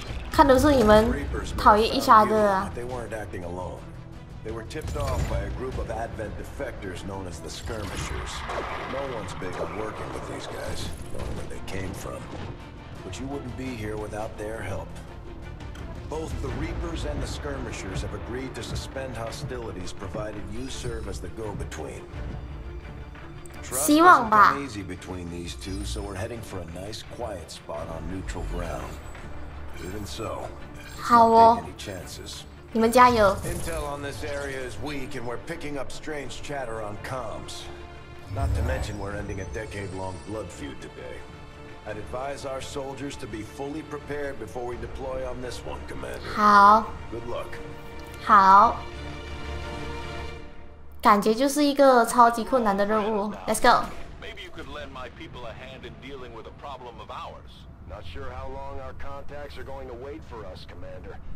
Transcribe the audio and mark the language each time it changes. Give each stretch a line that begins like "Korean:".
Chinese: 看都是你们讨厌一下的啊。
English: They weren't acting alone. They were tipped off by a group of Advent defectors known as the Skirmishers. No one's big on working with these guys, knowing where they came from. But you wouldn't be here without their help. Both the Reapers and the Skirmishers have agreed to suspend hostilities, provided you serve as the go-between.
Chinese: 希望吧。
English: Easy between these two, so we're heading for a nice, quiet spot on neutral ground. Even so, take any chances.
Chinese: 你们加油。
English: Intel on this area is weak, and we're picking up strange chatter on comms. Not to mention, we're ending a decade-long blood feud today. I'd advise our soldiers to be fully prepared before we deploy on this one, Commander.
Chinese: 好。
English: Good luck.
Chinese: 好。感觉就是一个超级困难的任务。
English: Let's go. Maybe you could lend my people a hand in dealing with a problem of ours. Not sure how long our contacts are going to wait for us, Commander.